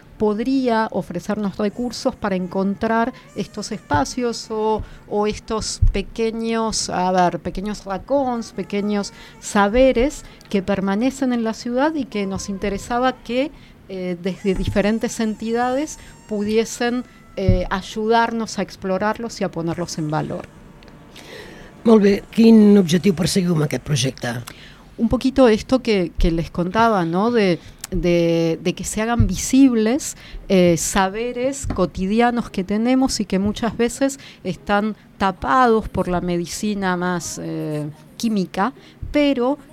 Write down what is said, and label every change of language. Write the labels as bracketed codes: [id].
[es] podría ofrecernos recursos para encontrar estos espacios o estos pequeños, a ver, pequeños racons, pequeños saberes que permanecen en la ciudad y que nos interesaba que desde diferentes entidades pudiesen ayudarnos a explorarlos y a ponerlos en valor. [ca] Molt bé, quin objectiu perseguiu amb aquest projecte? [es] Un poquito esto que les contaba, ¿no? De que se hagan visibles saberes cotidianos que tenemos y que muchas veces están tapados por la medicina más química, pero